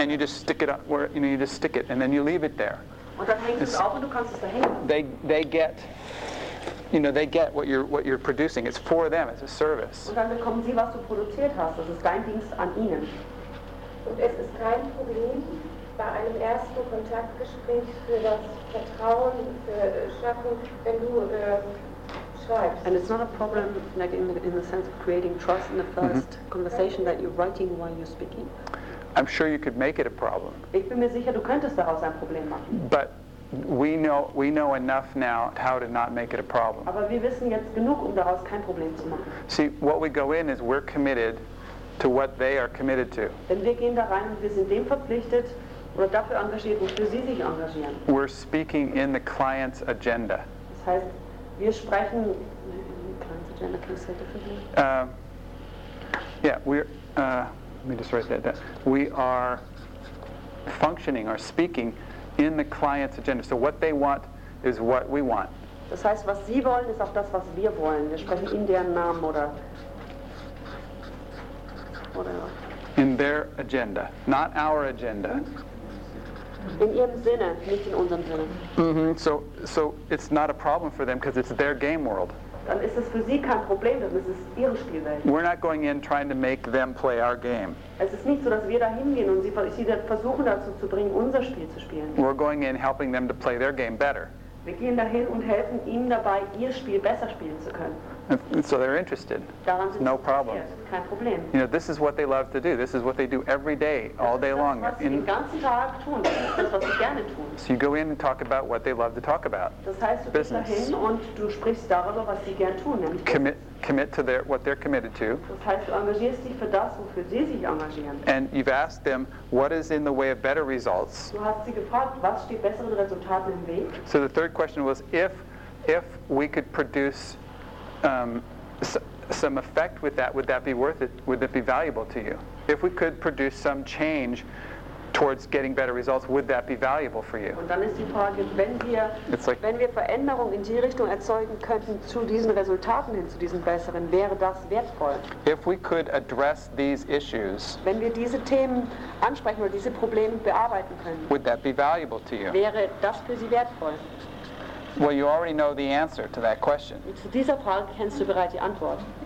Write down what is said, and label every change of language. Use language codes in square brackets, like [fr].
[en] And you just stick it up where you know you just stick it, and then you leave it there. [de] Und dann hängst du es auf und du kannst es da hängen. [en] They get. You know, they get what you're producing. It's for them. It's a service. [de] Und dann bekommen sie, was du produziert hast. Das ist dein Dienst an ihnen. Und es ist kein Problem, bei einem ersten Kontaktgespräch für das Vertrauen schaffen, wenn du schreibst. [en] And it's not a problem, like in the sense of creating trust in the first mm-hmm. conversation that you're writing while you're speaking. I'm sure you could make it a problem. [de] Ich bin mir sicher, du könntest daraus ein Problem machen. [en] But we know enough now how to not make it a problem. [de] Aber wir wissen jetzt genug, um daraus kein Problem zu machen. [en] See, what we go in is we're committed to what they are committed to. [de] Denn wir gehen da rein und wir sind dem verpflichtet oder dafür engagiert, wofür sie sich engagieren. [en] We're speaking in the client's agenda. [de] Das heißt, wir sprechen [en] client's agenda. Can you say it differently? We are functioning or speaking in the client's agenda. So what they want is what we want. [de] Das heißt, was sie wollen, ist auch das, was wir wollen. Wir sprechen in deren Namen oder [en] in their agenda, not our agenda. [de] In ihrem Sinne, nicht in unserem Sinne. [en] Mm-hmm. So it's not a problem for them because it's their game world. [de] dann ist es für sie kein Problem, dann ist es ihre Spielwelt. [en] We're not going in trying to make them play our game. [de] Es ist nicht so, dass wir da hingehen und sie versuchen dazu zu bringen, unser Spiel zu spielen. [en] We're going in helping them to play their game better. [de] Wir gehen dahin und helfen ihnen dabei, ihr Spiel besser spielen zu können. [en] And so they're interested. [de] Daran sind [en] no problem. [de] Kein Problem. [en] You know, this is what they love to do. This is what they do every day, all day long. [de] Das ist das, was sie den ganzen Tag tun. Das ist das, was sie gerne tun. [en] So you go in and talk about what they love to talk about. [de] Das heißt, du [en] business. [de] Gehst dahin und du sprichst darüber, was sie gerne tun. [en] Commit to their, what they're committed to. [de] Das heißt, du engagierst dich für das, wofür sie sich engagieren. [en] And you've asked them, what is in the way of better results? [de] Du hast sie gefragt, was steht besseren Resultaten im Weg? [en] So the third question was, if we could produce some effect with that, would that be worth it? Would that be valuable to you? If we could produce some change towards getting better results, would that be valuable for you? [de] Und dann ist die Frage, wenn wir Veränderung in die Richtung erzeugen könnten zu diesen Resultaten hin, zu diesen besseren, wäre das wertvoll? [en] If we could address these issues, [de] wenn wir diese Themen ansprechen oder diese Probleme bearbeiten können, [en] would that be valuable to you? [de] Wäre das für Sie wertvoll? [en] Well, you already know the answer to that question. [de] Zu dieser Frage kennst du bereits die Antwort.